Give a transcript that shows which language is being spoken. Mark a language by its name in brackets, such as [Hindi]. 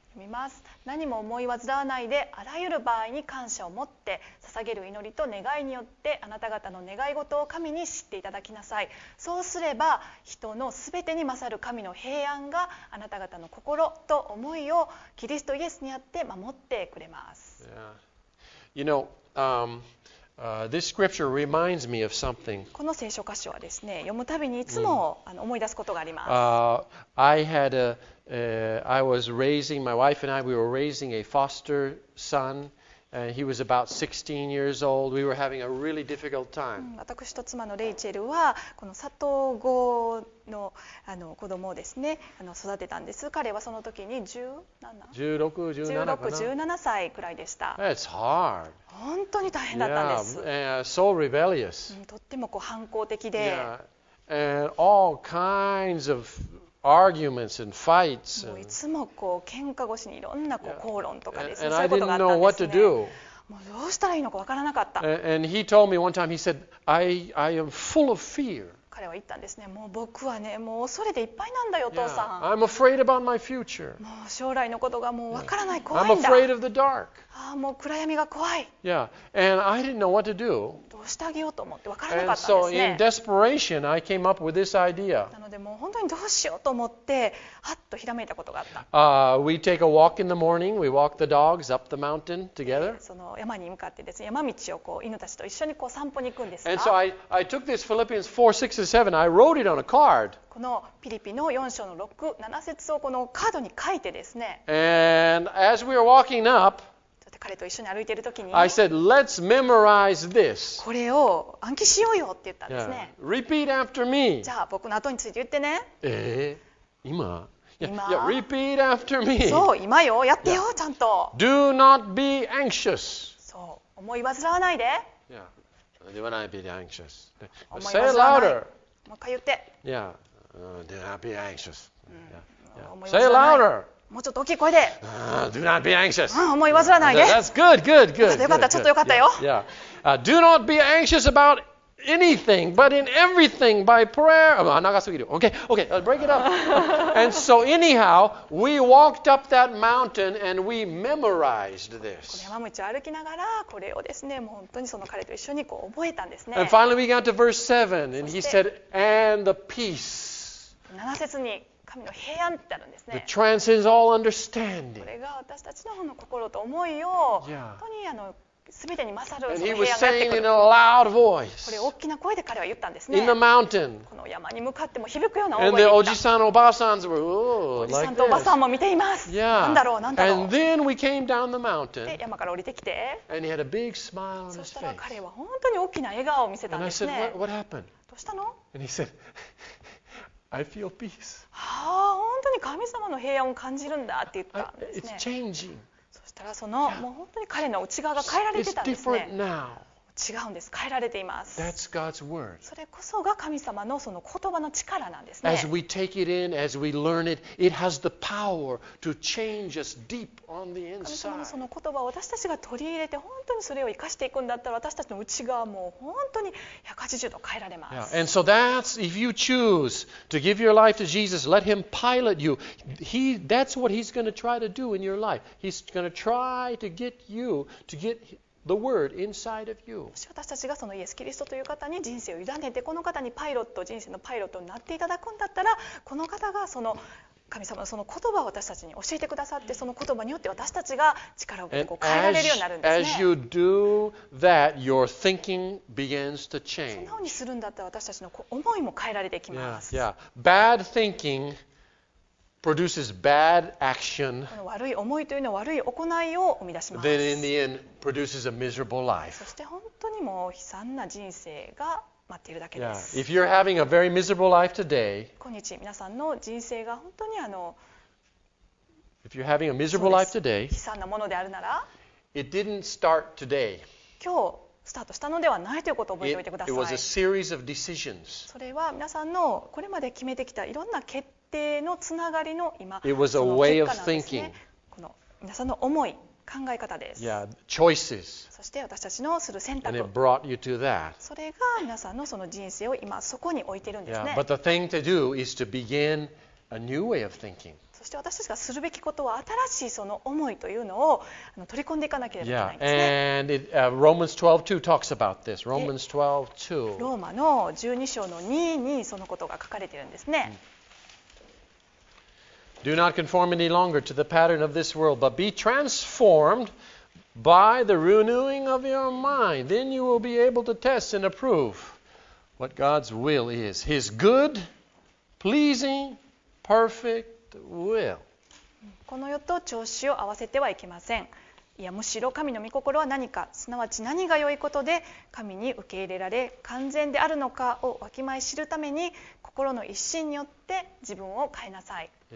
[Japanese] 読みます。何も思い煩わないで、あらゆる場合に感謝を持って捧げる祈りと願いによって、あなた方の願い事を神に知っていただきなさい。そうすれば人のすべてに勝る神の平安があなた方の心と思いをキリストイエスにあって守ってくれます。 [English] Yeah. You know, this scripture reminds me of something. [Japanese] この聖書箇所はですね、読むたびにいつも、思い出すことがあります。 [English] I was raising, my wife and I, we were raising a foster son, and he was about 16 years old. We were having a really difficult time. [Japanese] 私と妻のレイチェルは、この里子の、子供をですね、育てたんです。彼はその時に17歳くらいでした。 [English] It's hard. [Japanese] 本当に大変だったんです。 [English] Yeah, so rebellious. [Japanese] とってもこう反抗的で。 [English] Yeah. And all kinds of... arguments and fights. [Japanese] いつもこう喧嘩越しにいろんなこう口論とかですね、 [English] and [Japanese] そういうことがあったんですね。 [English] I didn't know what to do. [Japanese] もうどうしたらいいのかわからなかった。 [English] and he told me one time, he said, I am full of fear. [Japanese] 彼は言ったんですね、もう僕はね、もう恐れでいっぱいなんだよ、父さん。 [English] yeah. I'm afraid about my future. [Japanese] もう将来のことがもうわからない、怖いんだ。 [English] I'm afraid of the dark. [Japanese] ああ、もう暗闇が怖い。 [English] yeah. and I didn't know what to do. [Japanese] どうしてあげようと思ってわからなかったんですね。 [English] And so in desperation, I came up with this idea. [Japanese] なのでもう本当にどうしようと思ってハッとひらめいたことがあった。 [English] We take a walk in the morning. We walk the dogs up the mountain together. [Japanese] その山に向かってですね、山道をこう犬たちと一緒にこう散歩に行くんですが、 [English] And so I took this Philippians 4, 6 and 7. I wrote it on a card. [Japanese] このピリピの4章の6、7節をこのカードに書いてですね、 [English] And as we were walking up, [Japanese] 彼と一緒に歩いているときに、 [English] I said, let's memorize this. [Japanese] これを暗記しようよって言ったんですね。 [English] Yeah. Repeat after me. [Japanese] じゃあ僕の後について言ってね。今。今。 [English] Yeah, repeat after me. [Japanese] そう、今よ、やってよ、yeah. ちゃんと。 [English] Do not be anxious. [Japanese] そう、思い煩わないで。 [English] Yeah. Do not be anxious. Say it louder. [Japanese] もう一回言って。 [English] Yeah. Do not be anxious. Say it louder. [Japanese] もうちょっと大きい声で。 [English] Do not be anxious. [Japanese] 思い煩わないで。 [English] That's good, good, good. [Japanese] よかった、ちょっとよかったよ。 [English] Yeah. Do not be anxious about anything, but in everything by prayer. [Japanese] 長すぎる。 [English] Okay, break it up. And so anyhow, we walked up that mountain and we memorized this. [Japanese] この山道を歩きながらこれをですね、もう本当にその彼と一緒にこう覚えたんですね。 [English] And finally we got to verse 7 and he said, and the peace. [Japanese] 七節に。神の平安ってあるんですね。 [English] The transcends all understanding. [Japanese] これが私たちの方の心と思いを、 [English] yeah. [Japanese] 本当に全てに勝るその平安がやってくる。 [English] And he was saying in a loud voice. [Japanese] これ大きな声で彼は言ったんですね。 [English] In the mountain. [Japanese] この山に向かっても響くような大声で言った。 [English] And the [Japanese] おじさんおばあさんも、おじさんとおばあさんも見ています。 [English] Yeah. [Japanese] なんだろう、なんだろう。 [English] And then we came down the mountain. [Japanese] で、山から降りてきて。 [English] And he had a big smile on his face. [Japanese] そしたら彼は本当に大きな笑顔を見せたんですね。 [English] And I said, what happened? [Japanese] どうしたの？ [English] And he said, I feel peace. [Japanese] はあ、本当に神様の平安を感じるんだって言ったんですね。 [English] It's changing. [Japanese] そしたらその、yeah. もう本当に彼の内側が変えられてたんですね。 [English] It's different now. [Japanese] 違うんです。変えられています。 [English] That's God's word. [Japanese] それこそが神様のその言葉の力なんですね。 [English] As we take it in, as we learn it, it has the power to change us deep on the inside. [Japanese] 神様のその言葉を私たちが取り入れて本当にそれを生かしていくんだったら私たちの内側も本当に180度変えられます。 [English] Yeah. And so that's if you choose to give your life to Jesus, let Him pilot you. That's what He's going to try to do in your life. He's going to try to get you to get The word inside of you. [Japanese] もし私たちがそのイエス・キリストという方に人生を委ねて、この方にパイロット、人生のパイロットになっていただくんだったら、この方がその神様のその言葉を私たちに教えてくださって、その言葉によって私たちが力をこう変えられるようになるんですね。 [English] as you do that, your thinking begins to change. [Japanese] そんなにするんだったら私たちの思いも変えられてきます。 [English] yeah, yeah. Bad thinking produces bad action. [Japanese] この悪い思いというのは悪い行いを生み出します。 [English] Then in the end, produces a miserable life. [Japanese] そして本当にもう悲惨な人生が待っているだけです。 [English] Yeah. If you're having a very miserable life today, [Japanese] 今日皆さんの人生が本当に [English] If you're having a miserable life today, [Japanese] 悲惨なものであるなら、 [English] It didn't start today. [Japanese] 今日スタートしたのではないということを覚えておいてください。 [English] It was a series of decisions. [Japanese] それは皆さんのこれまで決めてきたいろんな決定のつながりの今、 [English] It was a way of thinking. [Japanese] その結果なんですね。この皆さんの思い、考え方です。 [English] yeah, choices. [Japanese] そして私たちのする選択、 [English] And it brought you to that. [Japanese] それが皆さんのその人生を今そこに置いているんですね。 [English] yeah, but the thing to do is to begin a new way of thinking. [Japanese] そして私たちがするべきことは新しいその思いというのを取り込んでいかなければいけないんですね。 [English] yeah, and it, Romans 12:2 talks about this. Romans 12:2. [Japanese] ローマの12章の2にそのことが書かれているんですね。 [English] Do not conform any longer to the pattern of this world, but be transformed by the renewing of your mind. Then you will be able to test and approve what God's will is. His good, pleasing, perfect will. [Japanese] この世と調子を合わせてはいけません。いや、むしろ神の御心は何か、すなわち何が良いことで神に受け入れられ完全であるのかをわきまえ知るために、心の一心によって自分を変えなさい。